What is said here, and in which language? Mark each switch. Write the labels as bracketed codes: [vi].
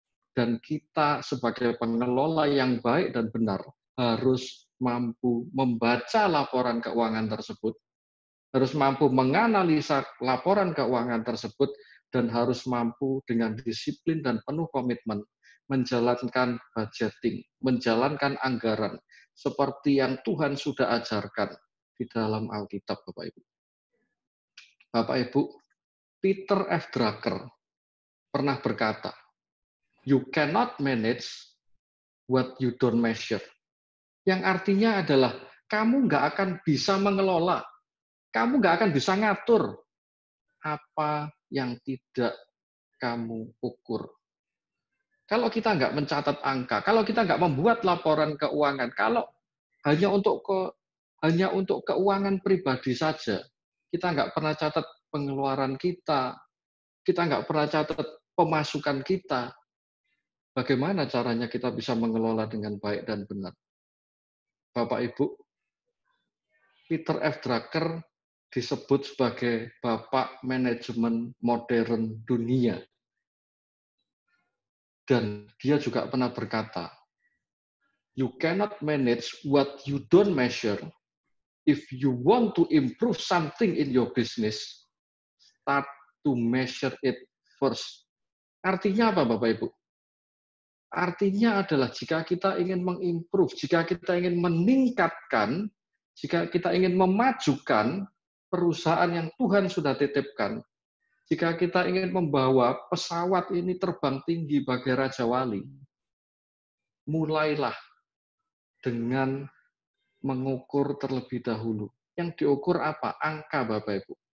[id] Dan kita sebagai pengelola yang baik dan benar harus mampu membaca laporan keuangan tersebut, harus mampu menganalisa laporan keuangan tersebut, dan harus mampu dengan disiplin dan penuh komitmen menjalankan budgeting, menjalankan anggaran, seperti yang Tuhan sudah ajarkan di dalam Alkitab, Bapak-Ibu. Bapak-Ibu, Peter F. [en] Drucker [id] pernah berkata, [en] "You cannot manage what you don't measure." [id] Yang artinya adalah, kamu nggak akan bisa mengelola, kamu nggak akan bisa ngatur apa yang tidak kamu ukur. Kalau kita nggak mencatat angka, kalau kita nggak membuat laporan keuangan, kalau hanya untuk keuangan pribadi saja, kita nggak pernah catat pengeluaran kita, kita nggak pernah catat pemasukan kita, bagaimana caranya kita bisa mengelola dengan baik dan benar? Bapak Ibu, Peter F. Drucker disebut sebagai bapak manajemen modern dunia. Dan dia juga pernah berkata, [en] "You cannot manage what you don't measure. If you want to improve something in your business, start to measure it first." [id] Artinya apa, Bapak Ibu? Artinya adalah jika kita ingin mengimprove, jika kita ingin meningkatkan, jika kita ingin memajukan perusahaan yang Tuhan sudah titipkan, jika kita ingin membawa pesawat ini terbang tinggi bagai Raja Wali, mulailah dengan mengukur terlebih dahulu. Yang diukur apa? Angka, Bapak Ibu.